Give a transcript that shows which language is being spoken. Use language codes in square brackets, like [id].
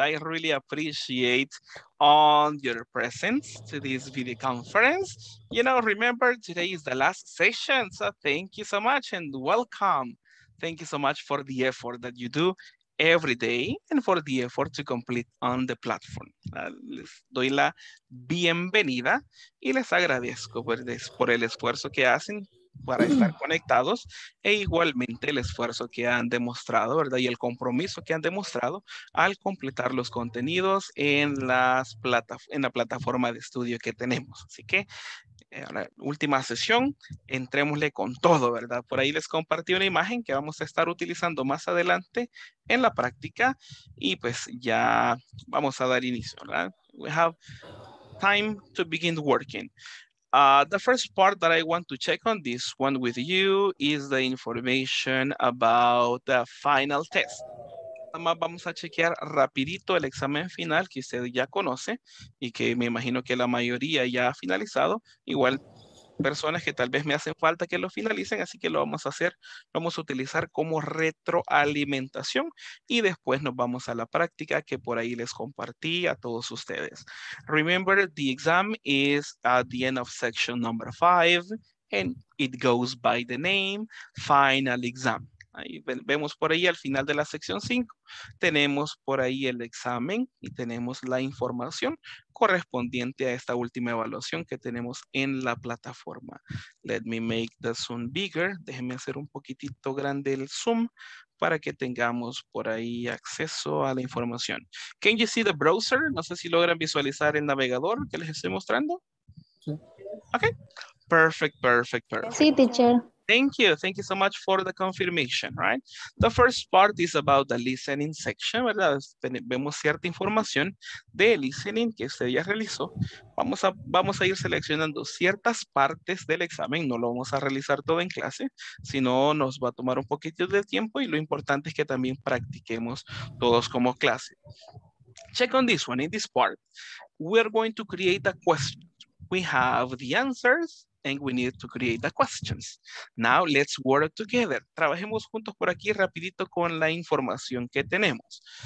[en] I really appreciate on your presence to this video conference. You know, remember today is the last session. So thank you so much and welcome. Thank you so much for the effort that you do every day and for the effort to complete on the platform. [es] Les doy la bienvenida y les agradezco por el esfuerzo que hacen para estar conectados e igualmente el esfuerzo que han demostrado, ¿verdad? Y el compromiso que han demostrado al completar los contenidos en en la plataforma de estudio que tenemos. Así que, la última sesión, entrémosle con todo, ¿verdad? Por ahí les compartí una imagen que vamos a estar utilizando más adelante en la práctica y pues ya vamos a dar inicio, ¿verdad? [en] We have time to begin working. The first part that I want to check on this one with you is the information about the final test. [es] Vamos a chequear rapidito el examen final que usted ya conoce y que me imagino que la mayoría ya ha finalizado. Igual personas que tal vez me hacen falta que lo finalicen, así que lo vamos a hacer. Lo vamos a utilizar como retroalimentación y después nos vamos a la práctica que por ahí les compartí a todos ustedes. [en] Remember, the exam is at the end of section number 5 and it goes by the name final exam. [es] Ahí vemos por ahí al final de la sección 5, tenemos por ahí el examen y tenemos la información correspondiente a esta última evaluación que tenemos en la plataforma. [en] Let me make the zoom bigger. [es] Déjenme hacer un poquitito grande el zoom para que tengamos por ahí acceso a la información. [en] Can you see the browser? [es] No sé si logran visualizar el navegador que les estoy mostrando. Sí. [en] Okay. Perfect, perfect, perfect. [es] Sí, teacher. [en] Thank you so much for the confirmation, right? The first part is about the listening section, [es] ¿verdad? Vemos cierta información de listening que usted ya realizó. Vamos a ir seleccionando ciertas partes del examen, no lo vamos a realizar todo en clase, sino nos va a tomar un poquito de tiempo y lo importante es que también practiquemos todos como clase. [en] Check on this one, in this part, we are going to create a question. We have the answers and we need to create the questions. Now let's work together. [es] Trabajemos juntos por aquí rapidito con la información que tenemos.